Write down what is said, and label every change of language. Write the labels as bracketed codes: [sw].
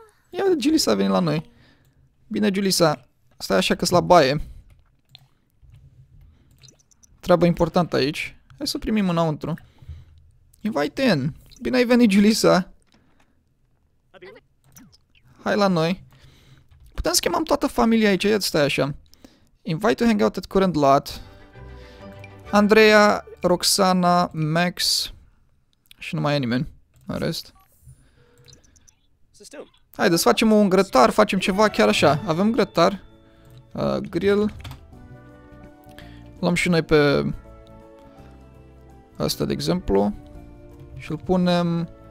[ro] Ia uite, Julissa a venit la noi. Bine, Julissa, stai așa că-s la baie. Treabă importantă aici. Hai să primim înăuntru. [en] Invite in! [ro] Bine ai venit, Julissa! Hai la noi. Putem să chemăm toată familia aici, ia stai așa. [en] Invite to hang out at current lot. [ro] Andreea, Roxana, Max și nu mai e nimeni în rest. Haide, să facem un grătar, facem ceva chiar așa. Avem grătar, grill. Luăm și noi pe asta, de exemplu, și îl punem.